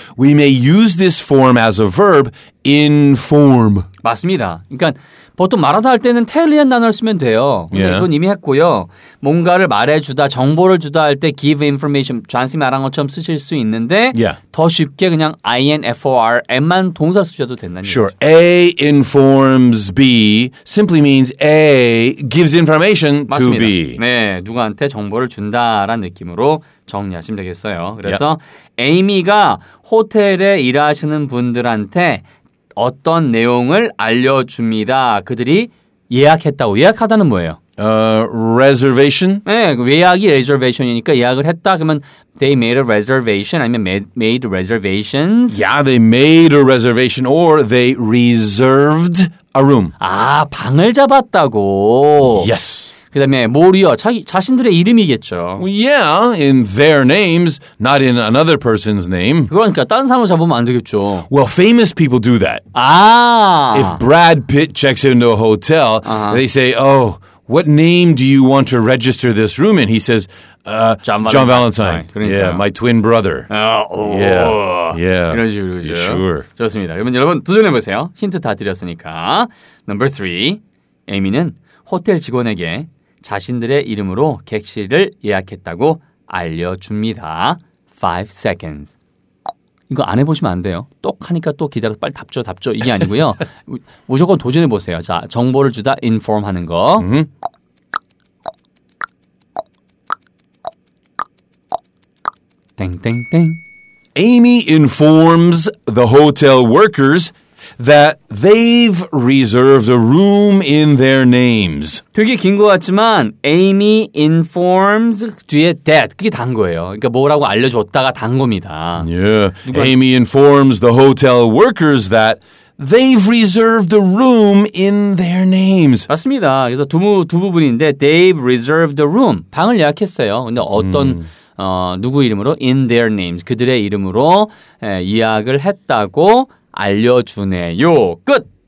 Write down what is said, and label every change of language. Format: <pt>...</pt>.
<en>We may use this form as a verb, inform.</en> <ko>맞습니다. 그러니까 보통 말하다 할 때는 tell이란 단어를 쓰면 돼요. 근데 이건 이미 했고요. 뭔가를 말해주다, 정보를 주다 할 때</ko> <en>give information,</en> <ko>잔씨 말한 것처럼 쓰실 수 있는데 yeah. 더 쉽게 그냥 inform만 동사 쓰셔도 된다는 sure. 얘기죠.</ko> <en>Sure. A informs B simply means A gives information</en> <ko>맞습니다.</ko> <en>to B.</en> <ko>네, 누구한테 정보를 준다라는 느낌으로 정리하시면 되겠어요. 그래서 yeah. Amy가 호텔에 일하시는 분들한테 어떤 내용을 알려줍니다. 그들이 예약했다고. 예약하다는 뭐예요?</ko> <en>Reservation?</en> <ko>네, 예약이 reservation이니까 예약을 했다. 그러면</ko> <en>they made a reservation</en> <ko>아니면</ko> <en>made reservations? Yeah, they made a reservation or they reserved a room.</en> <ko>아, 방을 잡았다고.</ko> <en>Yes.</en> <ko>그 다음에 뭐류요? 자신들의 이름이겠죠.</ko> <en>Yeah, in their names, not in another person's name.</en> <ko>그러니까 다른 사람을 잡으면 안 되겠죠.</ko> <en>Well, famous people do that.</en> <ko>아!</ko> <en>If Brad Pitt checks into a hotel, uh-huh. they say, oh, what name do you want to register this room in? He says, John Valentine. Yeah, my twin brother.</en> <ko>Yeah. 이런 식으로.</ko> <en>Sure.</en> <ko>좋습니다. 그러면 여러분 도전해보세요. 힌트 다 드렸으니까.</ko> <en>Number three,</en> <ko>에이미는 호텔 직원에게 자신들의 이름으로 객실을 예약했다고 알려줍니다.</ko> <en>5 seconds.</en> <ko>이거 안 해보시면 안 돼요. 똑하니까 또 기다려서 빨리 답죠, 답죠. 이게 아니고요. 무조건 도전해보세요. 자, 정보를 주다 inform 하는 거. 땡땡땡.</ko> <en>Amy informs the hotel workers that they've reserved a room in their names.</en> <ko>되게 긴 것 같지만</ko> <en>Amy informs</en> <ko>뒤에 that 그게 단 거예요. 그러니까 뭐라고 알려줬다가 단 겁니다.</ko> <en>Yeah. Amy informs the hotel workers that they've reserved a room in their names.</en> <ko>맞습니다. 그래서 두 부분인데</ko> <en>they've reserved a room.</en> <ko>방을 예약했어요. 근데 어떤 누구 이름으로</ko> <en>in their names</en> <ko>그들의 이름으로 예약을 했다고 알려주네요. 끝!</ko>